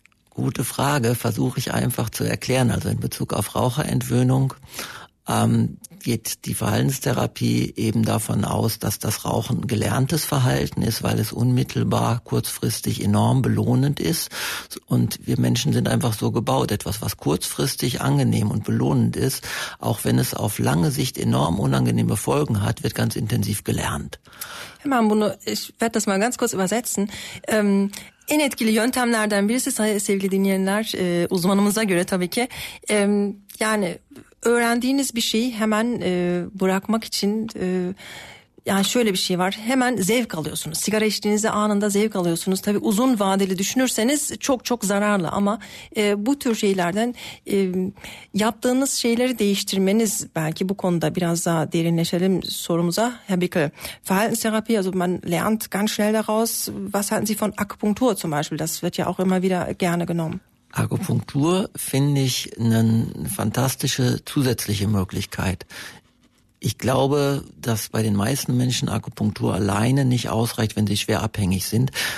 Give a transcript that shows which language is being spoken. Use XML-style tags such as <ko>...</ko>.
<de>Gute Frage, versuche ich einfach zu erklären. Also in Bezug auf Raucherentwöhnung geht die Verhaltenstherapie eben davon aus, dass das Rauchen ein gelerntes Verhalten ist, weil es unmittelbar kurzfristig enorm belohnend ist. Und wir Menschen sind einfach so gebaut, etwas, was kurzfristig angenehm und belohnend ist, auch wenn es auf lange Sicht enorm unangenehme Folgen hat, wird ganz intensiv gelernt. Herr Mambuno, ich werde das mal ganz kurz übersetzen.</de> <tr>En etkili yöntemlerden birisi sevgili dinleyenler, uzmanımıza göre tabii ki. Yani öğrendiğiniz bir şeyi hemen bırakmak için yani şöyle bir şey var. Hemen zevk alıyorsunuz. Sigara içtiğinizde anında zevk alıyorsunuz. Tabii uzun vadeli düşünürseniz çok çok zararlı ama bu tür şeylerden yaptığınız şeyleri değiştirmeniz belki bu konuda biraz daha derinleşelim sorumuza.</tr> <de>Herr Bickel, Verhaltenstherapie, also man lernt ganz schnell daraus. Was halten Sie von Akupunktur zum Beispiel? Das wird ja auch immer wieder gerne genommen. Akupunktur finde ich eine fantastische zusätzliche Möglichkeit. Ich glaube, dass bei den meisten Menschen Akupunktur alleine nicht ausreicht, wenn sie schwer abhängig sind.</de>